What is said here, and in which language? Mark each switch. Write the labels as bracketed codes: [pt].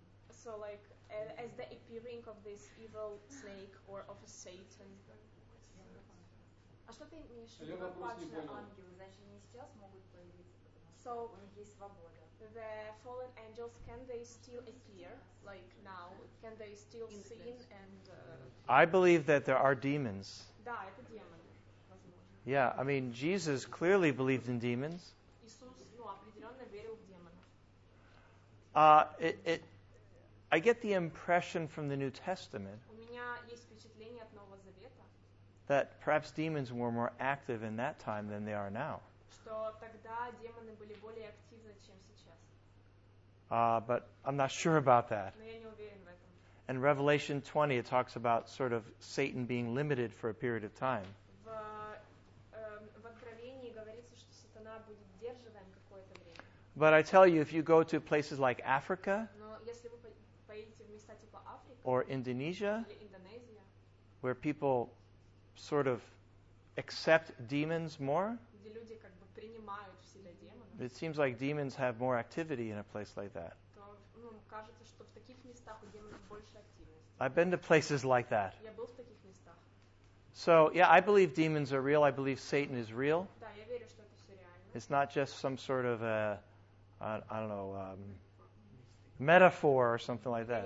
[en] So like as the appearing of this evil snake or of a Satan. [ru] А что ты имеешь в виду? Падшие ангелы, значит, не сейчас могут появиться, потому что у них есть свобода. [en] The fallen angels, can they still appear, like now? Can they still sin and... I believe that there are demons. [ru] Да, это демоны. [en] Yeah, I mean, Jesus clearly believed in demons. [ru] Иисус, ну, определенно верил в демонов. [en] I get the impression from the New Testament. [ru] У меня есть впечатление от Нового Завета. [en] That perhaps demons were more active in that time than they are now. [ru] Что тогда демоны были более активны, чем сейчас. [en] But I'm not sure about that. [ru] Но я не уверен в этом. [en] And Revelation 20, it talks about sort of Satan being limited for a period of time. [ru] В Откровении говорится, что сатана будет сдерживаем какое-то время. [en] But I tell you, if you go to places like Africa, [ru] но если вы поедете в места типа Африка, [en] or Indonesia, [ru] или Индонезия, [en] where people sort of accept demons more. [ru] Где люди как бы принимают в себя демонов. [en] It seems like demons have more activity in a place like that. [ru] То, ну, кажется, что в таких местах у демонов больше активности. [en] I've been to places like that. [ru] Я был в таких местах. [en] So, yeah, I believe demons are real. I believe Satan is real. [ru] Да, я верю, что это все реально. [en] It's not just some sort of a, I don't know, metaphor or something like that.